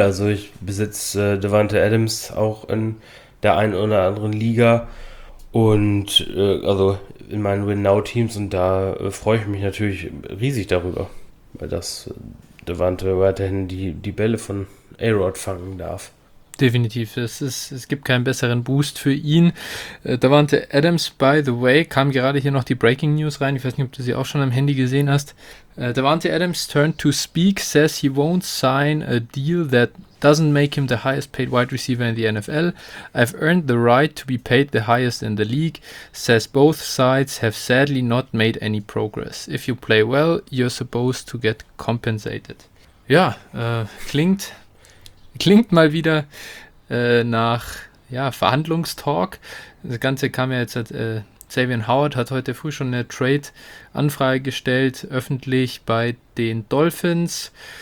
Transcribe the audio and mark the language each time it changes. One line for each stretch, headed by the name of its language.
German: Also ich besitze Devante Adams auch in der einen oder anderen Liga und also in meinen Win-Now-Teams, und da freue ich mich natürlich riesig darüber, weil das Devante weiterhin die Bälle von A-Rod fangen darf. Definitiv, es gibt keinen besseren Boost für ihn. Davante Adams,
English: by the way,
German: kam gerade hier noch die Breaking News rein. Ich weiß nicht, ob du sie auch schon am Handy gesehen hast.
English: Davante Adams turned to speak, says he won't sign a deal that doesn't make him the highest paid wide receiver in the NFL. I've earned the right to be paid the highest in the league, says both sides have sadly not made any progress. If you play well, you're supposed to get compensated.
German: Ja, klingt mal wieder nach ja, Verhandlungstalk. Das Ganze kam ja jetzt, Xavier Howard hat heute früh schon eine Trade-Anfrage gestellt, öffentlich bei den Dolphins.